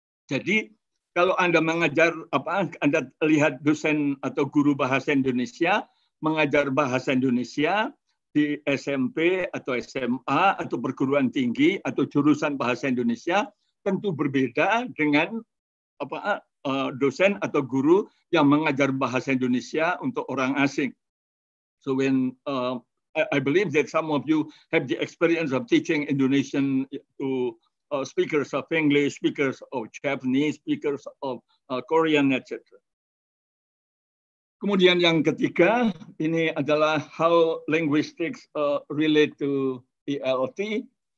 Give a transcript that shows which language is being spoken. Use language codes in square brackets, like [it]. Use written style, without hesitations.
[id] Jadi kalau Anda mengajar Anda lihat dosen atau guru bahasa Indonesia mengajar bahasa Indonesia di SMP atau SMA atau perguruan tinggi atau jurusan bahasa Indonesia tentu berbeda dengan dosen atau guru yang mengajar bahasa Indonesia untuk orang asing. [en] So when I believe that some of you have the experience of teaching Indonesian to speakers of English, speakers of Japanese, speakers of Korean, etc. [id] Kemudian yang ketiga ini adalah [en] how linguistics relate to ELT.